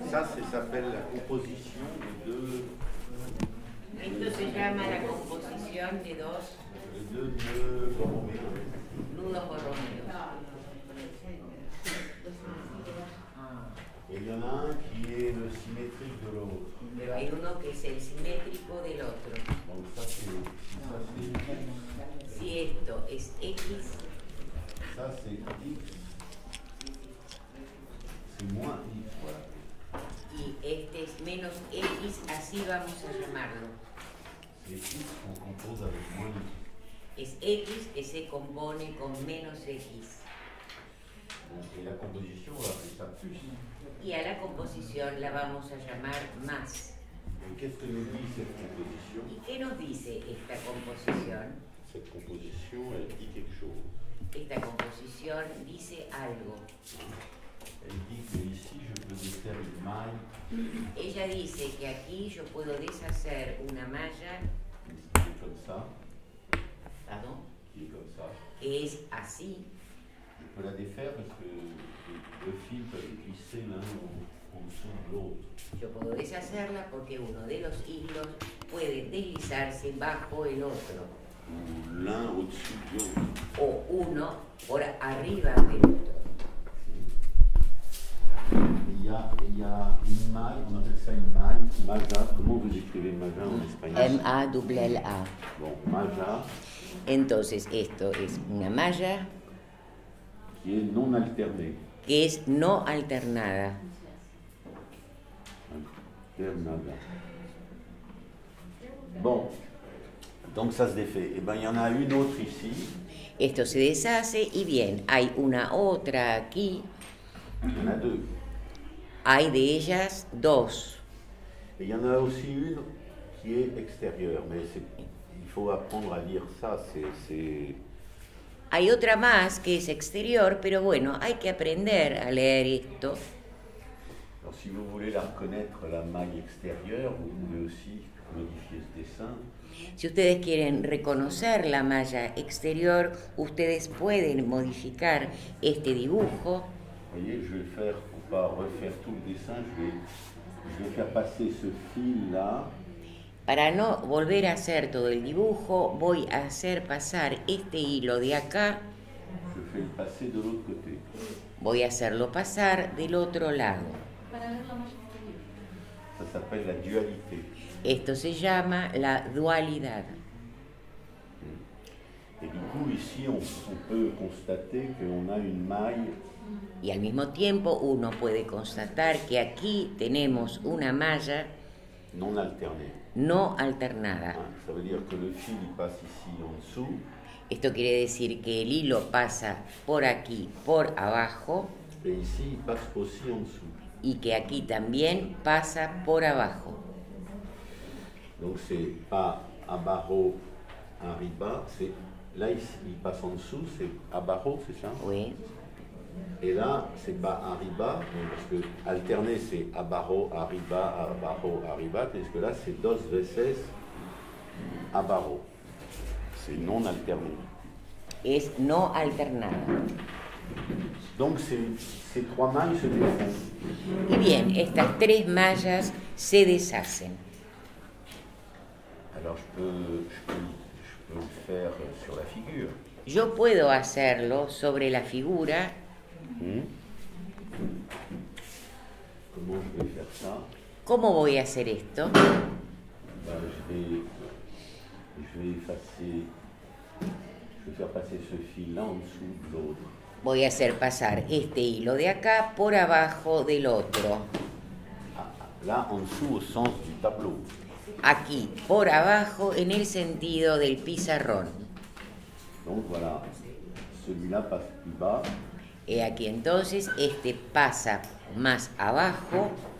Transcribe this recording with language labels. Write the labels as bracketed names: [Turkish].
[French] Ça, ça s'appelle la composition de deux. [Spanish] Esto se llama la composición de dos. [French] De deux Borromeos. [Spanish] Nudo Borromeo. [French] Et il y en a un qui est le symétrique de l'autre. [Spanish] Et uno que es el simétrico del otro. [French] Donc ça c'est. [Spanish] Si esto es X. [French] Ça c'est X. C'est moins X, voilà. [Spanish] Y este es menos X, así vamos a llamarlo. [French] C'est X qu'on compose avec moins X. [Spanish] Es X que se compone con menos X. [French] Et la composition, on va appeler ça plus. Et à la composition, [Spanish] la vamos a llamar más. [French] Et qu'est-ce que nous dit cette composition? Et que nous dit cette composition? Cette composition, elle dit quelque chose. [Spanish] Esta composición dice algo. [French] Elle dit que ici, je peux défaire une maille. [Spanish] Ella dice que aquí yo puedo deshacer una malla. [French] Qui est comme ça. Pardon? Qui est comme ça. [Spanish] Que es así. [French] Je peux la défaire parce que le fil peut être glissé l'un en dessous de l'autre. Je peux [Spanish] deshacerla porque uno de los hilos puede deslizarse bajo el otro. [French] Ou l'un au-dessus de l'autre. [Spanish] O uno por arriba del otro. [French] Il y a une maille, on appelle ça une maille, maja. Comment vous écrivez maja en espagnol? M-A-L-L-A. Bon, maja. [Spanish] Entonces, esto es una malla. [French] Qui est non alternée. [Spanish] Que es no alternada. Alternada. [French] Bon, donc ça se défait. Et bien, il y en a une autre ici. [Spanish] Esto se deshace, y bien, hay una otra aquí. [French] Il y en a deux. [Spanish] Hay de ellas dos. [French] Et il y en a aussi une qui est extérieure, mais c'est, il faut apprendre à lire ça, c'est... [Spanish] Hay otra más que es exterior, pero bueno, hay que aprender a leer esto. [French] Alors, si vous voulez la reconnaître, la maille extérieure, vous pouvez aussi modifier ce dessin. [Spanish] Si ustedes quieren reconocer la malla exterior, ustedes pueden modificar este dibujo. [French] Vous voyez, je vais faire, pour ne pas refaire tout le dessin, je vais faire passer ce fil-là. [Spanish] Para no volver a hacer todo el dibujo, voy a hacer pasar este hilo de acá. [French] Je fais le passer de l'autre côté. [Spanish] Voy a hacerlo pasar del otro lado. [French] Ça s'appelle la dualité. [Spanish] Esto se llama la dualidad. [French] Et du coup, ici, on peut constater qu'on a une maille. [Spanish] Y al mismo tiempo, uno puede constatar que aquí tenemos una malla. [French] Non alternée. [Spanish] No alternada. [French] Ça veut dire que le fil passe ici en dessous. [Spanish] Esto quiere decir que el hilo pasa por aquí, por abajo. [French] Et ici, il passe aussi en dessous. [Spanish] Y que aquí también pasa por abajo. [French] Donc c'est pas [Spanish] abajo, arriba. [French] C'est là ici, il passe en dessous, c'est [Spanish] abajo, [French] c'est ça? Oui. Et là, c'est bas, [Spanish] arriba, [French] parce que alterner, c'est [Spanish] abajo, arriba, abajo, arriba, [French] tandis que là, c'est [Spanish] dos veces abajo. [French] C'est non alterné. [Spanish] Es no alternada. [French] Donc, ces trois mailles se déshacent. [Spanish] Y bien, estas tres mallas se deshacen. [French] Alors, je peux faire sur la figure. [Spanish] Yo puedo hacerlo sobre la figura. [French] Comment je vais faire ça? [Spanish] ¿Cómo voy a hacer esto? [French] Ben, je vais faire passer ce fil là en dessous de l'autre. [Spanish] Voy a hacer pasar este hilo de acá por abajo del otro. [French] Ah, là en dessous au sens du tableau. [Spanish] Aquí por abajo en el sentido del pizarrón. [French] Donc voilà, celui-là passe plus bas. [Spanish] Y aquí entonces este pasa más abajo.